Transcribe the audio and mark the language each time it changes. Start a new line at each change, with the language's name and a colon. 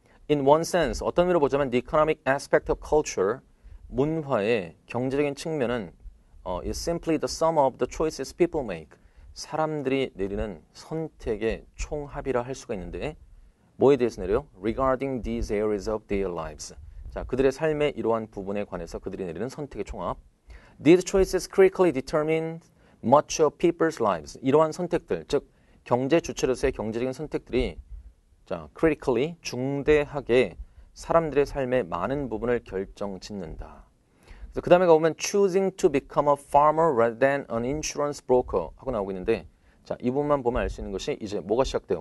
English: In one sense,
Korean: 어떤 의미로 보자면,
English: the economic aspect of culture,
Korean: 문화의 경제적인 측면은,
English: is simply the sum of the choices people make.
Korean: 사람들이 내리는 선택의 총합이라 할 수가 있는데, 뭐에 대해서 내려요?
English: Regarding these areas of their lives.
Korean: 자, 그들의 삶의 이러한 부분에 관해서 그들이 내리는 선택의 총합.
English: These choices critically determine much of people's lives.
Korean: 이러한 선택들, 즉 경제 주체로서의 경제적인 선택들이 자, critically, 중대하게 사람들의 삶의 많은 부분을 결정짓는다. 그래서 그 다음에 가보면
English: choosing to become a farmer rather than an insurance broker
Korean: 하고 나오고 있는데 자, 이 부분만 보면 알수 있는 것이 이제 뭐가 시작돼요?